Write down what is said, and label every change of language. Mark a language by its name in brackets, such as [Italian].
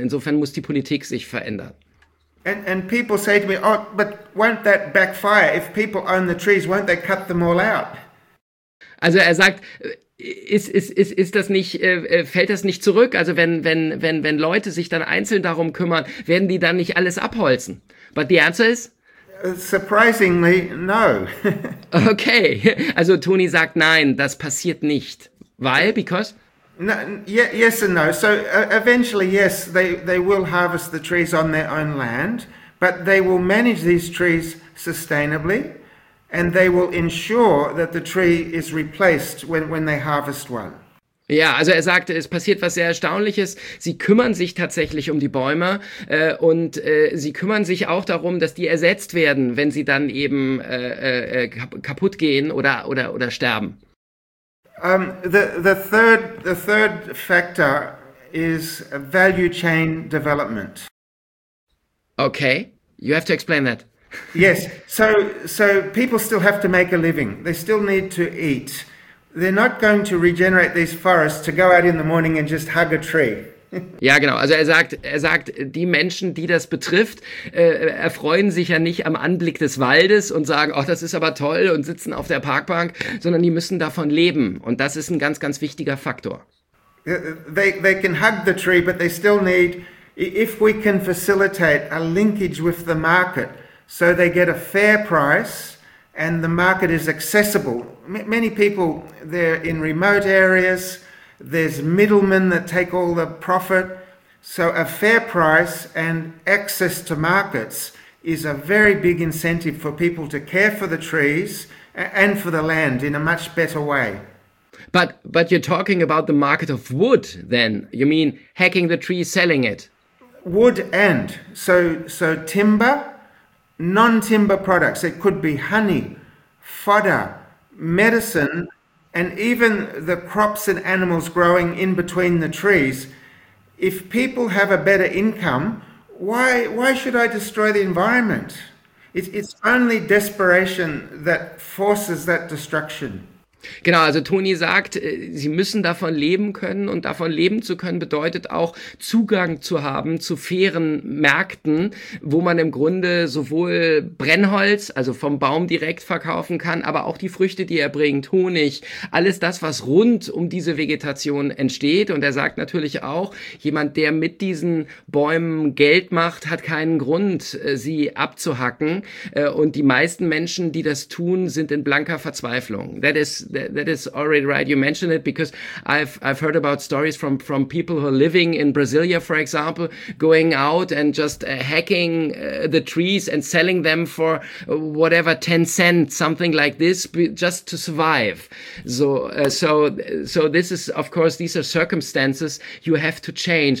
[German] Insofern muss die Politik sich verändern. [English] And people say to me, oh, but won't that backfire? If people own the trees, won't they cut them all out? [German] Also er sagt, ist das nicht, fällt das nicht zurück? Also wenn Leute sich dann einzeln darum kümmern, werden die dann nicht alles abholzen? [English] But the answer is? Surprisingly, no. [German] Okay, also Tony sagt, nein, das passiert nicht. [English] Why? Because? No, yes and no. So eventually, yes, they will harvest the trees on their own land, but they will manage these trees sustainably and they will ensure that the tree is replaced when they harvest one. [German] Ja, also er sagte, es passiert was sehr Erstaunliches. Sie kümmern sich tatsächlich um die Bäume und sie kümmern sich auch darum, dass die ersetzt werden, wenn sie dann eben kaputt gehen oder sterben. [English] The third factor is value chain development. Okay, you have to explain that. Yes, so people still have to make a living. They still need to eat. They're not going to regenerate these forests to go out in the morning and just hug a tree. [German] Ja, genau. Also er sagt, die Menschen, die das betrifft, erfreuen sich ja nicht am Anblick des Waldes und sagen, ach, das ist aber toll und sitzen auf der Parkbank, sondern die müssen davon leben. Und das ist ein ganz, ganz wichtiger Faktor. [English] They can hug the tree, but they still need, if we can facilitate a linkage with the market, so they get a fair price and the market is accessible. Many people, they're in remote areas. There's middlemen that take all the profit. So a fair price and access to markets is a very big incentive for people to care for the trees and for the land in a much better way. But you're talking about the market of wood then. You mean hacking the tree, selling it? Wood and. So timber, non-timber products. It could be honey, fodder, medicine, and even the crops and animals growing in between the trees. If people have a better income, why should I destroy the environment? It's only desperation that forces that destruction. [German] Genau, also Toni sagt, sie müssen davon leben können und davon leben zu können bedeutet auch Zugang zu haben zu fairen Märkten, wo man im Grunde sowohl Brennholz, also vom Baum direkt verkaufen kann, aber auch die Früchte, die er bringt, Honig, alles das, was rund um diese Vegetation entsteht. Und er sagt natürlich auch, jemand, der mit diesen Bäumen Geld macht, hat keinen Grund, sie abzuhacken. Und die meisten Menschen, die das tun, sind in blanker Verzweiflung. [English] That is already right. You mentioned it because I've heard about stories from people who are living in Brasilia, for example, going out and just hacking the trees and selling them for whatever 10 cents, something like this, just to survive. So this is, of course, these are circumstances you have to change.